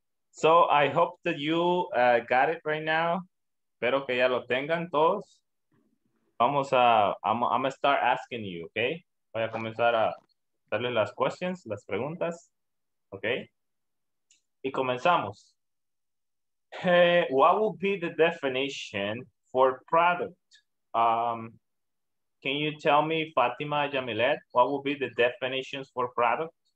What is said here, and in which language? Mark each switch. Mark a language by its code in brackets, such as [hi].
[en] So I hope that you got it right now. [es] Espero que ya lo tengan todos. Vamos a, [en] I'm gonna start asking you, okay? [es] Voy a comenzar a darle las questions, las preguntas, okay? Y comenzamos. [en] Hey, what would be the definition for product? Can you tell me, Fatima, Yamilet, what would be the definitions for product?